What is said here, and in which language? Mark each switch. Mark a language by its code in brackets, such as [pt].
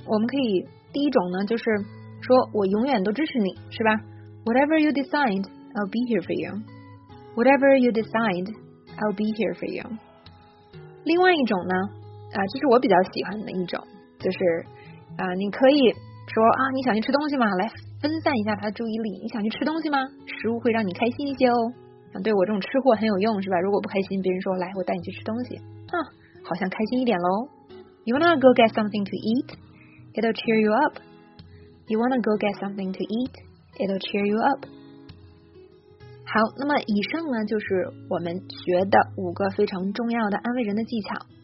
[zh] 我们可以第一种呢就是说我永远都支持你，是吧？ [en] Whatever you decide, I'll be here for you. Whatever you decide, I'll be here for you. [zh] 另外一种呢这是我比较喜欢的一种，就是你可以说啊，你想去吃东西吗？来分散一下他的注意力，你想去吃东西吗？食物会让你开心一些哦。对我这种吃货很有用是吧？如果不开心，别人说来，我带你去吃东西，哈，好像开心一点喽。 [en] You wanna go get something to eat? It'll cheer you up. You wanna go get something to eat? It'll cheer you up. [zh] 好，那么以上呢就是我们学的五个非常重要的安慰人的技巧。